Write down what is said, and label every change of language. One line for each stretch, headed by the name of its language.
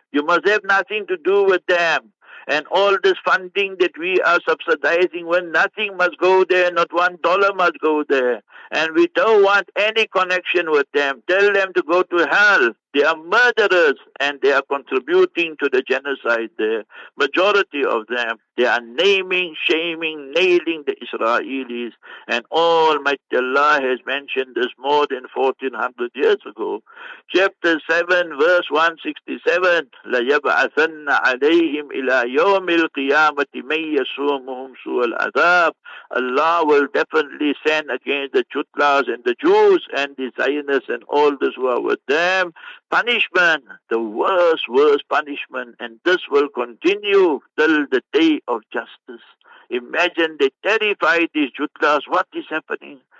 English: You must have nothing to do with them. And all this funding that we are subsidizing, when nothing must go there, not $1 must go there. And we don't want any connection with them. Tell them to go to hell. They are murderers and they are contributing to the genocide there. Majority of them, they are naming, shaming, nailing the Israelis. And Almighty Allah has mentioned this more than 1400 years ago. Chapter 7, verse 167,
Arabic: لَيَبْعَثَنَّ عَلَيْهِمْ إِلَىٰ يَوْمِ الْقِيَامَةِ مَنْ يَسُومُهُمْ سُوَ الْعَذَابِ.
English: Allah will definitely send against the Chutlas and the Jews and the Zionists and all those who are with them. Punishment, the worst, worst punishment, and this will continue till the day of justice. Imagine they terrified these Jutlas. What is happening?